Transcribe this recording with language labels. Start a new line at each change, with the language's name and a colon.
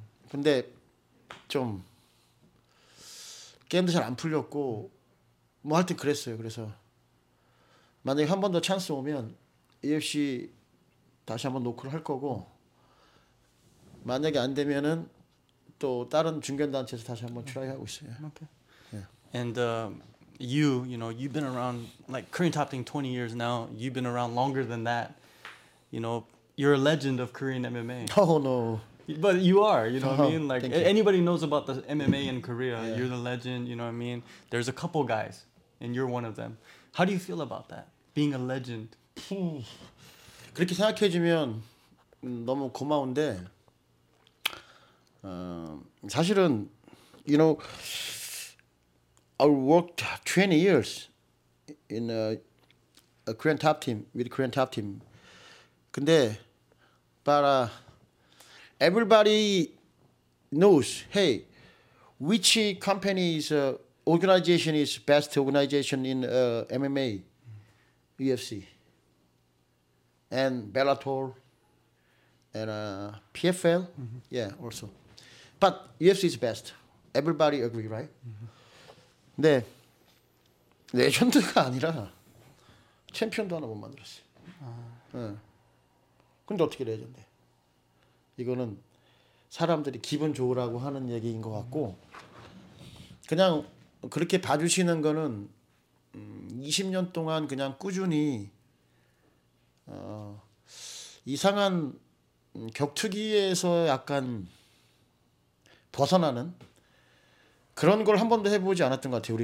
Korean: 근데 좀 게임도 잘 안 풀렸고 뭐 하여튼 그랬어요. 그래서 만약에 한 번 더 찬스 오면 UFC 다시 한번 노크를 할 거고 만약에 안 되면은 또 다른 중견 단체에서 다시 한번 트라이 하고 있어요.
English: And you know, you've been around like Korean top team 20 years now. You've been around longer than that. You know, you're a legend of Korean MMA. Oh no. But you are, you know what I mean? Like, anybody knows about the MMA in Korea, yeah. you're the legend, you know what I mean? There's a couple guys, and you're one of them. How do you feel about that, being a legend?
Korean: 그렇게 생각해 주면 너무 고마운데, 사실은,
English: you know, I worked 20 years in a Korean top team, with Korean top team. 근데, everybody knows, hey, which company is organization is best organization in MMA, UFC, and Bellator, and PFL, mm-hmm. yeah, also. But UFC is best. Everybody agree, right? Mm-hmm.
Korean: 근데 레전드가 아니라 챔피언도 하나 못 만들었어요. 근데 어떻게 레전드? 이거는 사람들이 기분 좋으라고 하는 얘기인 것 같고 그냥 그렇게 봐주시는 거는 20년 동안 그냥 꾸준히 이상한 격투기에서 약간 벗어나는 그런 걸 한 번도 해보지 않았던 것 같아요.